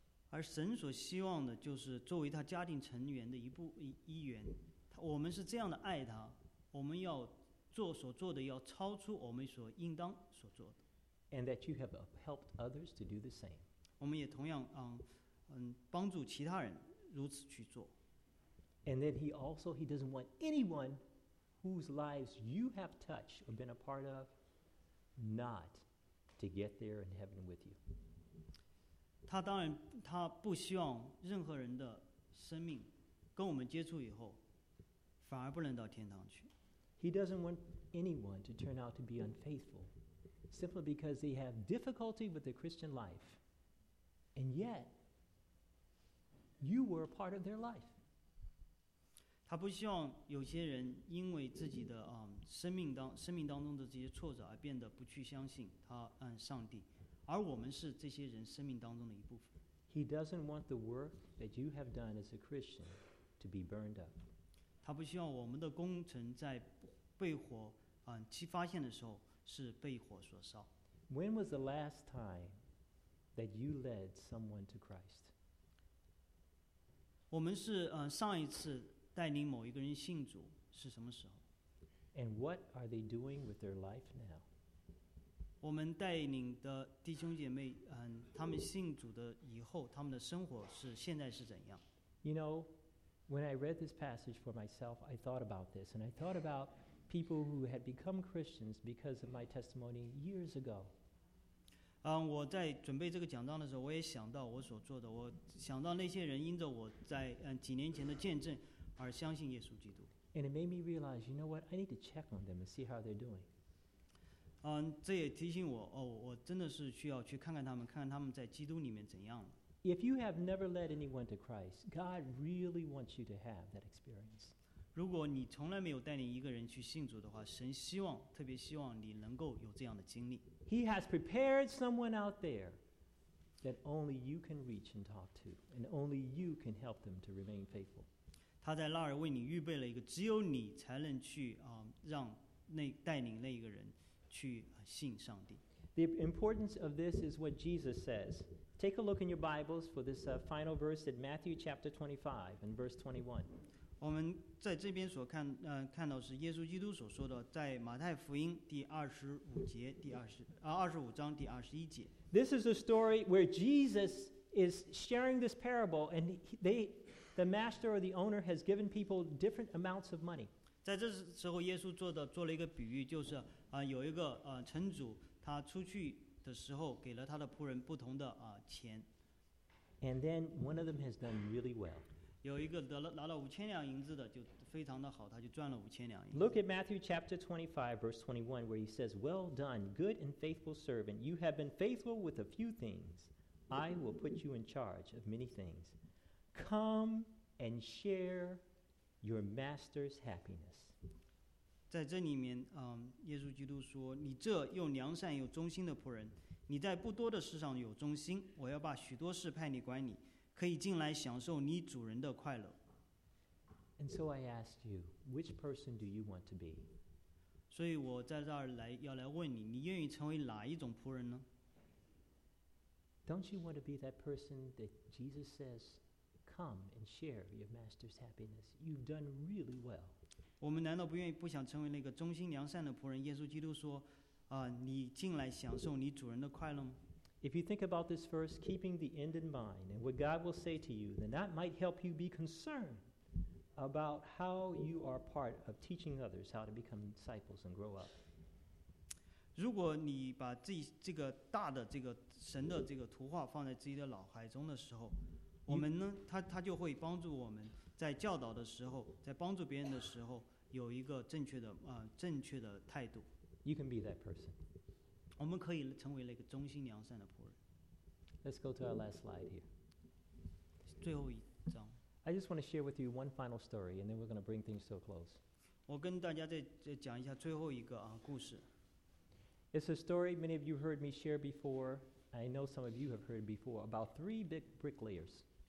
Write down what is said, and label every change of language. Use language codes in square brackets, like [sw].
[zh] 而神所希望的就是作为他家庭成员的一员，我们是这样的爱他。我们要做所做的要超出我们所应当所做的。 [en] And that you have helped others to do the same. [zh] 我们也同样帮助其他人如此去做。 [en] And then he doesn't want anyone whose lives you have touched or been a part of not to get there in heaven with you. [zh] 他当然他不希望任何人的生命跟我们接触以后反而不能到天堂去。 [en] He doesn't want anyone to turn out to be unfaithful simply because they have difficulty with the Christian life. And yet, you were a part of their life. [zh] 他不希望有些人因为自己的生命当中的这些挫折而变得不去相信他上帝，而我们是这些人生命当中的一部分。 [en] He doesn't want the work that you have done as a Christian to be burned up. [zh] 他不希望我们的工程在被火其发现的时候是被火所烧。 [en] When was the last time that you led someone to Christ? [zh] 我们是上一次带领某一个人信主是什么时候？ [en] And what are they doing with their life now? [zh] 我们带领的弟兄姐妹他们信主的以后他们的生活是现在是怎样？ [en] You know, when I read this passage for myself, I thought about this, and I thought about people who had become Christians because of my testimony years ago. [zh] 我在准备这个讲章的时候，我也想到我所做的，我想到那些人因着我在几年前的见证而相信耶稣基督。 [en] And it made me realize, you know what? I need to check on them and see how they're doing. [zh] 这也提醒我，我真的是需要去看看他们，看看他们在基督里面怎样。 [en] If you have never led anyone to Christ, God really wants you to have that experience. [zh] 如果你从来没有带领一个人去信主的话，神希望，特别希望你能够有这样的经历。 [en] He has prepared someone out there that only you can reach and talk to, and only you can help them to remain faithful. [zh] 他在那儿为你预备了一个，只有你才能去让那带领那一个人去信上帝。 [en] The importance of this is what Jesus says. Take a look in your Bibles for this final verse in Matthew chapter 25 and verse 21. [zh] 我们在这边所看看到是耶稣基督所说的，在马太福音第25章第21节。 [en] This is a story where Jesus is sharing this parable, and the master or the owner has given people different amounts of money. [zh] 在这时候，耶稣做了一个比喻，就是有一个城主。他出去的时候给了他的仆人不同的钱。 [en] And then one of them has done really well. [zh] 有一个拿了五千两银子的就非常的好，他就赚了五千两银子。 [en] Look at Matthew chapter 25 verse 21 where he says, Well done, good and faithful servant. You have been faithful with a few things. I will put you in charge of many things. Come and share your master's happiness. [zh] 在这里面耶稣基督说，你这又良善又忠心的仆人，你在不多的事上有忠心，我要把许多事派你管理，可以进来享受你主人的快乐。 [en] And so I asked you, which person do you want to be? [zh] 所以我在这儿要来问你，你愿意成为哪一种仆人呢？ [en] Don't you want to be that person that Jesus says, come and share your master's happiness? You've done really well. [zh] 我们难道不想成为那个忠心良善的仆人？耶稣基督说，你进来享受你主人的快乐吗？ [en] If you think about this verse, keeping the end in mind and what God will say to you, then that might help you be concerned about how you are part of teaching others how to become disciples and grow up. [zh] 如果你把这个大的这个神的这个图画放在自己的脑海中的时候，我们呢，他就会帮助我们。在教导的时候，在帮助别人的时候，有一个正确的态度。 [en] You can be that person. [zh] 我们可以成为那个忠心良善的仆人。 [en] Let's go to our last slide here. [zh] 最后一张。 [en] I just want to share with you one final story, and then we're going to bring things to a close. [zh] 我跟大家再讲一下最后一个故事。 [en] It's a story many of you heard me share before. I know some of you have heard before about three big bricklayers.